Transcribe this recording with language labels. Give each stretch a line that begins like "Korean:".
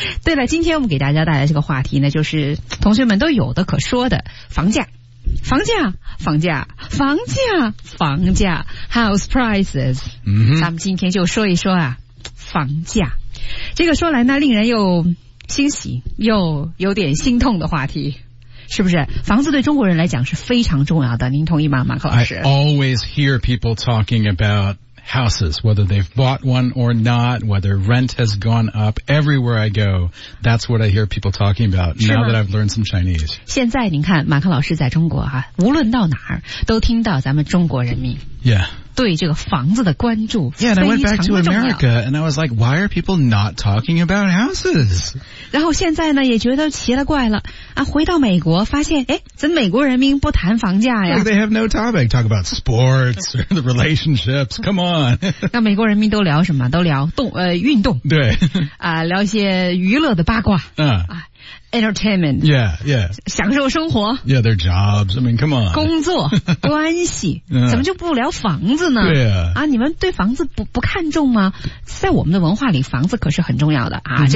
Chinese: 对了，今天我们给大家带来这个话题呢，就是同学们都有的可说的房价，房价，房价，房价，房价 ，
English: house prices。嗯，
Chinese: 咱们今天就说一说啊，房价，这个说来呢，令人又欣喜又有点心痛的话题，是不是？房子对中国人来讲是非常重要的，您同意吗，马克老师
English: ？I always hear people talking about. Houses, whether they've bought one or not, whether rent has gone up, everywhere I go, that's what I hear people talking about now that I've learned some Chinese.
Chinese: 现在您看，马克老师在中国啊，无论到哪儿，都听到咱们中国人民。
English: Yeah.
Chinese: 对这个房子的关注非常重要。
English: Yeah, and I went back to America, and I was like, why are people not talking about houses?
Chinese: 然后现在呢，也觉得奇了怪了，啊，回到美国，发现，诶，怎么美国人民不谈房价呀？
English: Like they have no topic, talk about sports, or the relationships, come on.
Chinese: 那美国人民都聊什么？都聊动，运动。对。啊，聊一些娱乐的八卦。Entertainment.
English: Yeah, yeah.
Chinese: 享受生活。
English: Yeah, their jobs. I mean, come on.
Chinese: 工作关系怎么就不聊房子呢？对啊。啊，你们对房子不看重吗？在我们的文化里，房子可是很重要的啊。